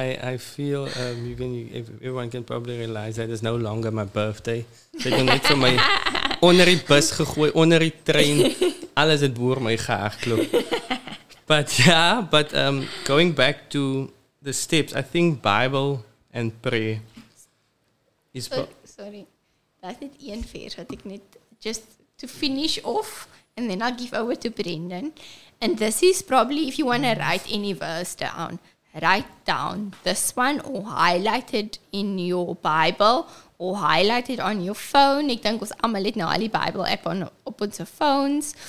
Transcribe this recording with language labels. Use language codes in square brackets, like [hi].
[en] I feel, everyone can probably realize that it's no longer my birthday. [af] Dit het net vir my onder die bus gegooi, onder die trein. Alles het boor my gehaagklop. [en] But going back to the steps, I think Bible and prayer is... [af] Sorry, dat is een vers wat ek net... [en] Just to finish off, and then I'll give over to Brendan. And this is probably, if you want to write any verse down, write down this one or highlight it in your Bible or highlight it on your phone. [af] Ek dink ons allemaal het nou al die Bible app op ons phones.